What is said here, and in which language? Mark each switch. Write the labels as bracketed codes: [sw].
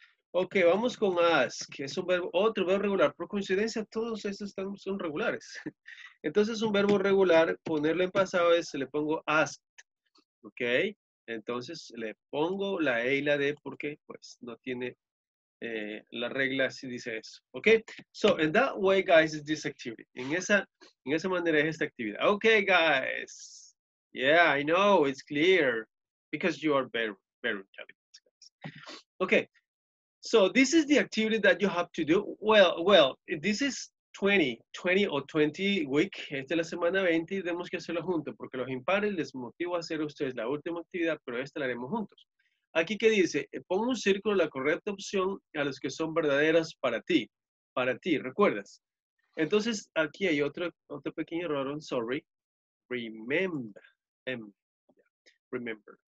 [es] Ok, vamos con ask, que es un verbo, otro verbo regular. Por coincidencia, todos estos son regulares. Entonces un verbo regular, ponerlo en pasado es, le pongo asked. ¿Ok? Entonces le pongo la E y la D porque pues no tiene... la regla sí dice eso. [en] Ok, so in that way, guys, is this activity. [es] En esa manera es esta actividad. [en] Ok, guys. Yeah, I know, it's clear. Because you are very, very intelligent, guys. Ok, so this is the activity that you have to do. Well, this is 20 or 20 week. [es] Esta es la semana 20 y tenemos que hacerlo juntos. Porque los impares les motivo a hacer a ustedes la última actividad, pero esta la haremos juntos. Aquí que dice, pon un círculo la correcta opción a los que son verdaderas para ti, ¿recuerdas? Entonces, aquí hay otro pequeño error, [en] I'm sorry. Remember.